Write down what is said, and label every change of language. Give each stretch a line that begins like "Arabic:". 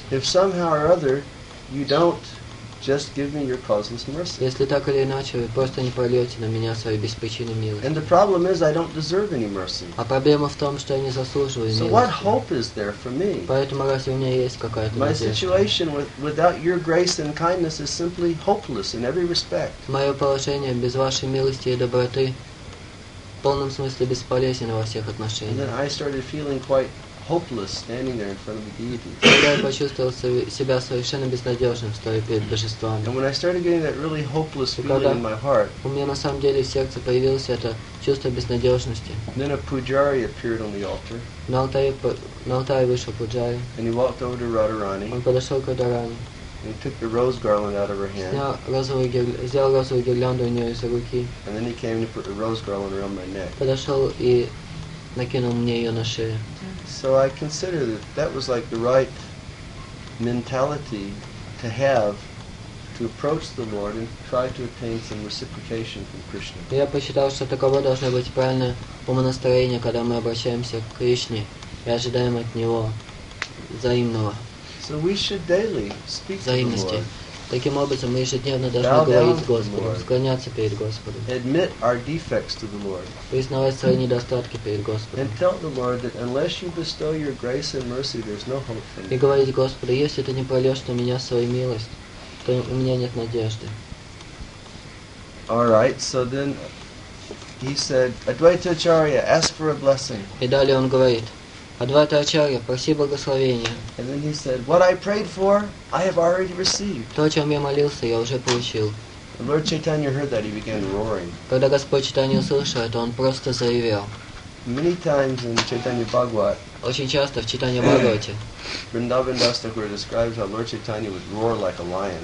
English: If somehow or other you don't just give me your causeless mercy.
Russian: Если так или иначе, вы просто не прольете на меня свою беспричинную милость.
English: And the problem is, I don't deserve any mercy.
Russian: А проблема в том, что я не заслуживаю милости.
English: So what hope is there for me?
Russian: Поэтому разве у меня есть какая-то надежда?
English: My situation without your grace and kindness is simply hopeless in every respect.
Russian: Мое положение без вашей милости и доброты в полном смысле бесполезно во всех отношениях.
English: And then I started feeling quite hopeless standing there in front of the deities.
Russian: Когда я почувствовал себя совершенно безнадежным, стоя перед божествами.
English: And when I started getting that really hopeless feeling in my heart,
Russian: у меня на самом деле в сердце появилось это чувство безнадежности.
English: Then a pujari appeared on the altar.
Russian: На алтаре вышел пуджари.
English: And he walked over to Radharani.
Russian: Он подошел к Радхарани.
English: And he took the rose garland out of her hand.
Russian: Взял розовую гирлянду у нее из руки.
English: And then he came to put the rose garland around my neck.
Russian: Подошел и накинул мне ее на шею.
English: So I consider that that was like the right mentality to have to approach the Lord and try to attain some reciprocation from Krishna.
Russian: Я посчитал, что таково должно быть правильное умонастроение, когда мы обращаемся к Кришне и ожидаем от Него взаимного.
English: So we should daily speak to the Lord.
Russian: Таким образом, мы ежедневно должны говорить с Господом, склоняться перед Господом.
English: Admit our defects to the Lord.
Russian: Признавать свои недостатки перед Господом.
English: And tell the Lord that unless you bestow your grace and mercy, there's no hope for me.
Russian: И говорить Господу, если ты не прольешь на меня свою милость, то у меня нет надежды.
English: All right, so then he said, Advaita Acharya, ask for a blessing.
Russian: И далее он говорит, Адвайта Ачарья, проси благословения.
English: And then he said, what I prayed for, I have already received.
Russian: То, о чем я молился, я уже получил.
English: And Lord Chaitanya heard that, he began roaring.
Russian: Когда Господь Чайтанья услышал это, он просто заревел.
English: Many times in Chaitanya Bhagavat,
Russian: очень часто в Чайтанья Бхагавате,
English: Vrindavan Das Thakur describes how Lord Chaitanya would roar like a lion.